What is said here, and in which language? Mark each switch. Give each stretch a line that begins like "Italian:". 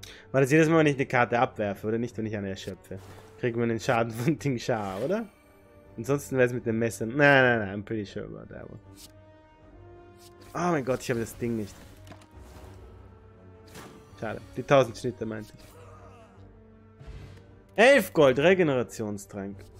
German: War das jedes Mal, wenn ich eine Karte abwerfe, oder nicht, wenn ich eine erschöpfe? Kriegt man den Schaden von Ding Sha, oder? Ansonsten wäre es mit dem Messer. Nein,
English: I'm pretty sure about that one.
German: Oh mein Gott, ich habe das Ding nicht. Schade, die 1000 Schnitte meinte ich. 11 Gold, Regenerationstrank.